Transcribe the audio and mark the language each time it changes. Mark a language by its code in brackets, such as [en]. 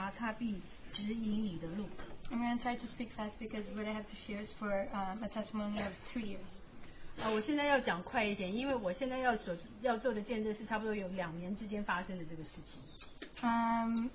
[zh] 你要专心仰赖耶和华，不可倚靠自己的聪明，在你一切所行的事上都要认定他，他必指引你的路。 [en] I'm going to try to speak fast because what I have to share is for a testimony of 2 years. [zh] 我现在要讲快一点，因为我现在要做的见证是差不多有两年之间发生的这个事情。